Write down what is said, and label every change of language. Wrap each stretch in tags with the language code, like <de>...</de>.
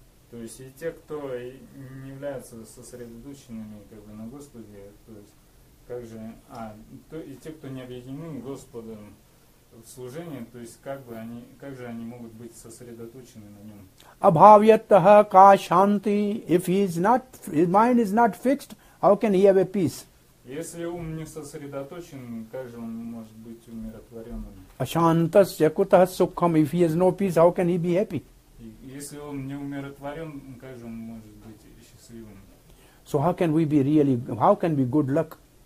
<ru>То есть и те, кто не являются сосредоточенными как бы на Господе, то есть как же, и те, кто не объединены Господом в служении, то есть как бы они, как же они могут быть сосредоточены на нем?</ru> <sa>Abhavyatah ka shanti,</sa> <en>if he is not, his mind is not fixed, how can he have a peace?</en> <ru>Если ум не сосредоточен, как же он может быть умиротворенным?</ru> <sa>Ашантасья кутаха сукхам,</sa> <en>if he has no peace, how can he be happy?</en> <ru>Если он не умиротворен, как же он может быть счастливым?</ru> <en>So how can we be really, how can be good luck?</en>